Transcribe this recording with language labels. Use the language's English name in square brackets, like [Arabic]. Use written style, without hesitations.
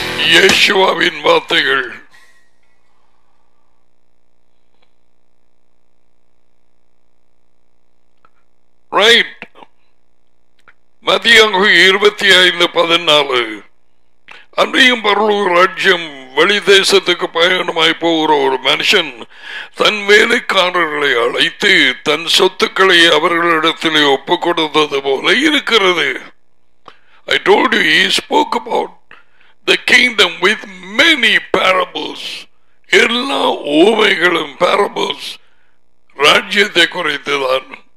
[Tamil] இயேசுவின் வார்த்தைகள் ரைட் மத்தேயு 25:14 அன்றியும் பரலோக ராஜ்யம் வெளி தேசத்துக்கு பயணமாய் போகிற ஒரு மனுஷன் தன் வேலைக்காரர்களை அழைத்து தன் சொத்துக்களை அவர்களிடத்திலே ஒப்பு கொடுத்தது போல இருக்கிறது. [English] I told you, he spoke about the kingdom with many parables. [Tamil] எல்லா ஓமைகளும் parables ராஜ்யத்தை குறித்துதான்.